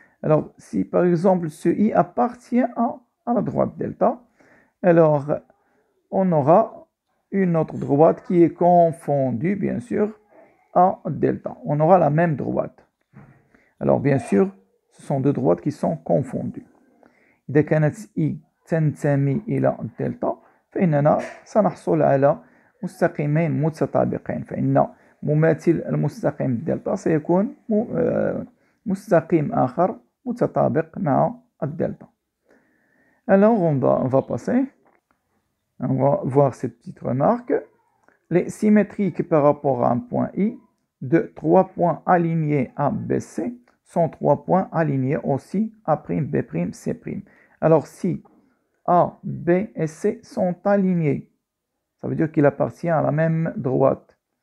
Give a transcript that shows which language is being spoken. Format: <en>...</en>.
<fr>Alors, si par exemple ce I appartient à la droite delta, alors on aura une autre droite qui est confondue, bien sûr, à delta. On aura la même droite. Alors, bien sûr, ce sont deux droites qui sont confondues.</fr> <ar>إذا كانت I تنتمي إلى دلتا فإننا سنحصل على مستقيمين متطابقين فإن مماثل المستقيم دلتا سيكون مستقيم آخر متطابق مع الدلتا.</ar> <fr>Alors, on va passer. On va voir cette petite remarque. Les symétriques par rapport à un point I de trois points alignés ABC sont trois points alignés aussi A', B', C'. Alors si A, B et C sont alignés, ça veut dire qu'il appartient à la même droite.</fr>